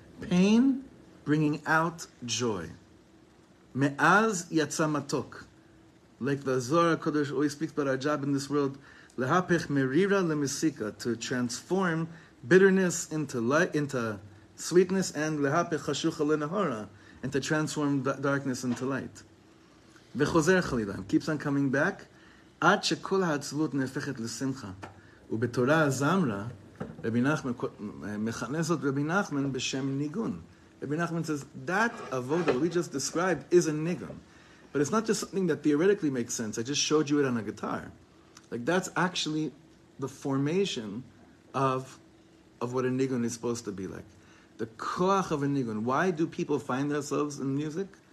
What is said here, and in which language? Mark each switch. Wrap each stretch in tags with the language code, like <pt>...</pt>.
<en>Pain bringing out joy.</en> <he>Me'az yatza matok.</he> <en>Like the Zohar HaKadosh always speaks about our job in this world,</en> <he>lehapech merira lemesika,</he> <en>to transform bitterness into light, into sweetness, and</en> <he>lehapech chashucha lenahara,</he> <en>and to transform darkness into light.</en> <he>וחוזר חלילה,</he> <en>keeps on coming back,</en> <he>עד שכל העצבות נהפכת לשמחה. ובתורה הזמרה, רבי נחמן, מכנה זאת רבי נחמן בשם ניגון.</he> <en>רבי נחמן says, that avoda we just described is a niggun. But it's not just something that theoretically makes sense, I just showed you it on a guitar. Like that's actually the formation of what a niggun is supposed to be like. The koach of a niggun. Why do people find themselves in music?</en>